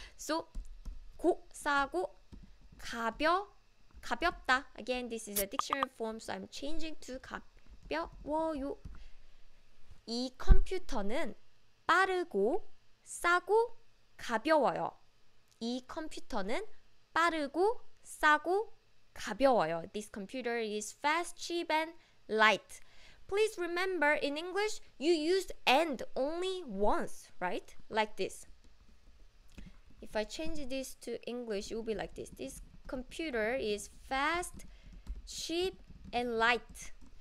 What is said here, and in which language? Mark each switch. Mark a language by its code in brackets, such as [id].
[ko] So 고 싸고 가벼 가볍다. [en] Again, this is a dictionary form, so I'm changing to 가벼워요. [ko] 이 컴퓨터는 빠르고 싸고 가벼워요. 이 컴퓨터는 빠르고 싸고 가벼워요. [en] This computer is fast, cheap, and light. Please remember, in English, you use and only once, right? Like this. If I change this to English, it will be like this. This computer is fast, cheap, and light.